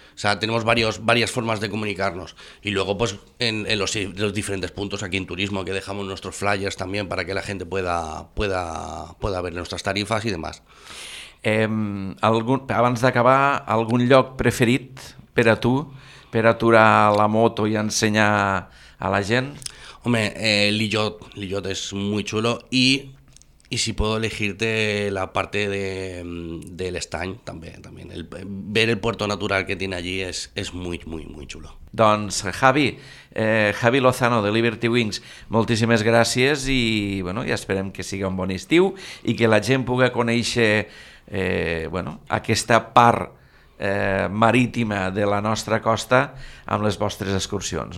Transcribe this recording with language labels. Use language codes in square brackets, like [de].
[es] O sea, tenemos varias formas de comunicarnos. Y luego, pues, en los diferentes puntos aquí en turismo, que dejamos nuestros flyers también para que la gente pueda ver nuestras tarifas y demás. [ca] Abans d'acabar, algun lloc preferit per a tu, per aturar la moto i ensenyar a la gent? [es] Hombre, l'Illot es muy chulo. Y si puedo elegirte la parte del estany, también. Ver el puerto natural que tiene allí es muy, muy, muy chulo. [ca] Doncs Javi Lozano, de Liberty Wings, moltíssimes gràcies i, bueno, i esperem que sigui un bon estiu i que la gent pugui conèixer aquesta part marítima de la nostra costa amb les vostres excursions.